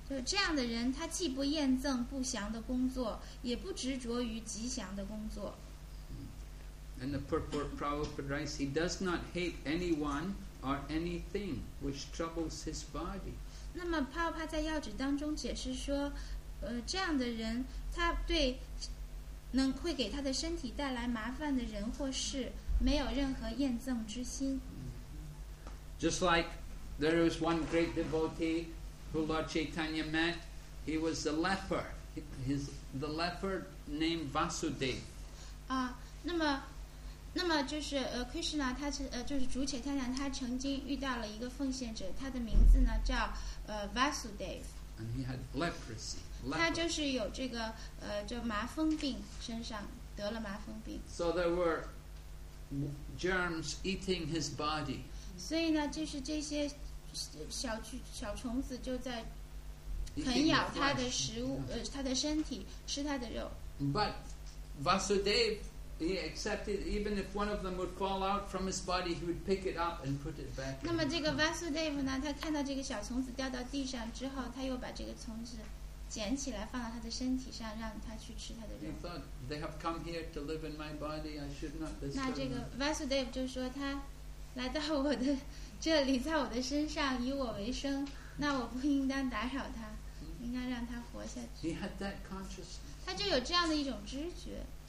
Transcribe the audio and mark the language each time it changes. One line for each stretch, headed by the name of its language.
Chinese: 就这样的人他既不厌憎不祥的工作也不执着于吉祥的工作
English: And the purport Prabhupada writes he does not hate anyone or anything which troubles his body
Chinese: 那么帕奥帕在要旨当中解释说这样的人他对能会给他的身体带来麻烦的人或事没有任何厌憎之心
English: Just like there was one great devotee who Lord Chaitanya met he was a leper he's the leper named Vasudev
Chinese: 那么就是Krishna 他是就是主且贪婪他曾经遇到了一个奉献者他的名字呢叫Vasudev
English: and he had leprosy
Chinese: 他就是有这个就麻风病身上得了麻风病
English: so there were germs eating his body
Chinese: 所以呢就是这些小虫子就在啃咬他的食物 yeah. 他的身体吃他的肉
English: but Vasudev he accepted even if one of them would fall out from his body he would pick it up and put it back
Chinese: 那么这个 Vasudev 呢他看到这个小虫子掉到地上之后他又把这个虫子捡起来放到他的身体上让他去吃他的肉
English: he thought they have come here to live in my body I should not disturb them
Chinese: 那这个 Vasudev 就说他来到我的这里在我的身上以我为生那我不应当打扰他应该让他活下去
English: he had that consciousness
Chinese: 他就有这样的一种知觉